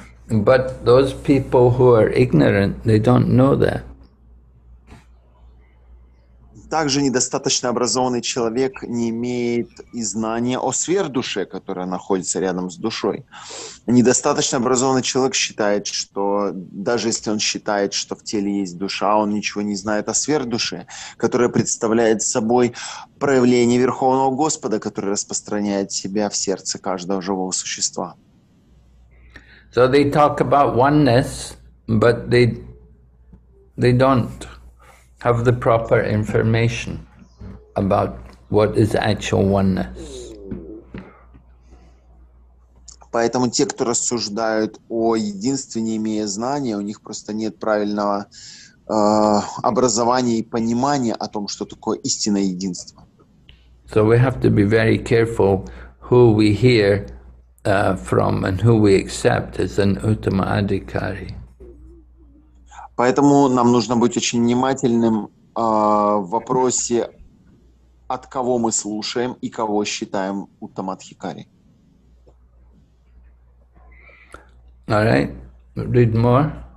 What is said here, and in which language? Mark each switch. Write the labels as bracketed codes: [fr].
[en] But those people who are ignorant, they don't know that. [ru] Также недостаточно образованный человек не имеет и знания о сверхдуше, которая находится рядом с душой. Недостаточно образованный человек считает, что даже если он считает, что в теле есть душа, он ничего не знает о сверхдуше, которая представляет собой проявление Верховного Господа, который распространяет себя в сердце каждого живого существа. [en] So they talk about oneness, but they don't have the proper information about what is actual oneness. [ru] Поэтому те, кто рассуждают о единстве, не имея знания, у них просто нет правильного образования и понимания о том, что такое истинное единство. [en] So we have to be very careful who we hear from and who we accept as an Uttama Adhikari. [ru] Поэтому нам нужно быть очень внимательным в вопросе, от кого мы слушаем и кого считаем Уттамадхикари. [en] All right, read more.